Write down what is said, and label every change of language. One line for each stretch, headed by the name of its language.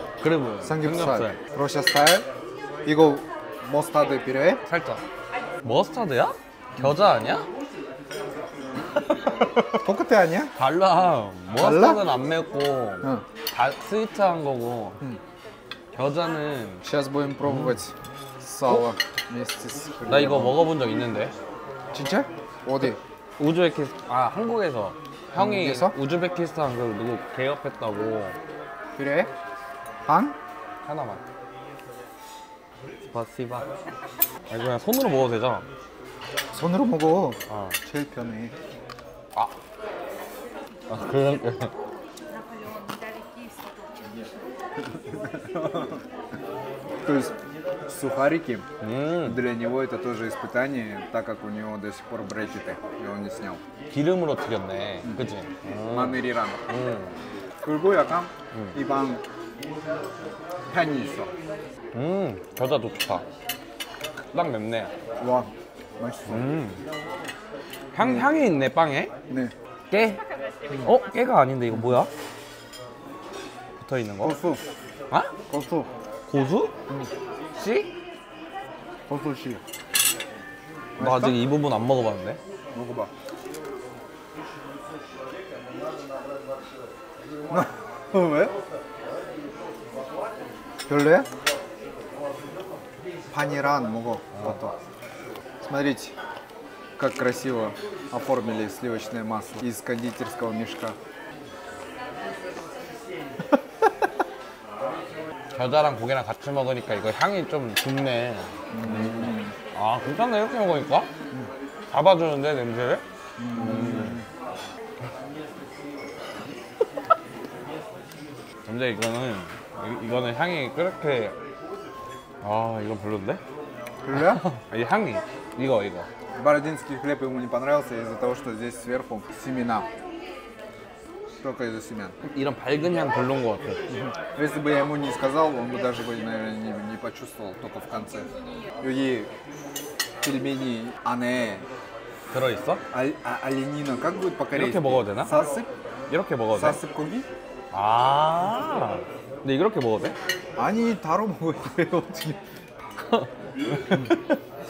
Korean: 그래 뭐야? 삼겹살. 러시아 스타일. 이거 머스타드 필요해? 살짝. 머스타드야? 겨자 아니야? 포크테 아니야? 달라. 머스타드는 안 맵고 스위트한 거고. 겨자는.
Russian: Сейчас будем пробовать сало вместе с.
Korean: 나 이거 먹어본 적 있는데. 진짜? 어디? 우즈베키스. 아, 한국에서. 형이 우즈베키스탄 그 누구 개업했다고 그래? 반? 하나만.
Russian: 스파시바.
Korean: 아니 그냥 손으로 먹어도 되잖아. 손으로 먹어. 아. 제일 편해. 아. 아 그런. 그래서.
Russian: Сухарики. Для него это тоже испытание, так как у него до сих пор брекеты, и он не снял.
Korean: 기름으로 튀겼네. 그치? 마늘이랑. 그리고 약간 이 방 향이 있어. 겨자도 좋다. 딱 맵네. 와, 맛있어. 향이 있네, 빵에? 네. 깨? 어? 깨가 아닌데 이거 뭐야? 붙어있는 거? 고수. 아? 고수. 고수? 씨? 고수 씨. 나 맛있어? 아직 이 부분 안 먹어봤는데. 먹어봐. 왜? 별래? 반이랑 먹어. 이것도.
Russian: Смотрите, как красиво оформили сливочное масло из кондитерского мешка.
Korean: 겨자랑 고기랑 같이 먹으니까 이거 향이 좀 좋네. 아 괜찮네 이렇게 먹으니까. 잡아주는데 냄새를. 근데 이거는 이거는 향이 그렇게. 아 이건 별론데. 별로야? 이 향이 이거 이거.
Russian: Бородинский хлеб ему не понравился из-за того, что здесь сверху семена. Только из-за семян.
Korean: 이런 밝은 향 별로인 것 같아.
Russian: Если бы я ему не сказал, он бы даже бы, наверное, не почувствовал только в конце.
Korean: 여기 пельмени, 안에 들어있어?
Russian: 아, как будет по-корейски?
Korean: 이렇게 먹어도 되나? 사습? 이렇게 먹어도 돼? 사습 고기? 아, 근데 이렇게 먹어도 돼? 아니, 따로 먹어야 돼, 어떻게.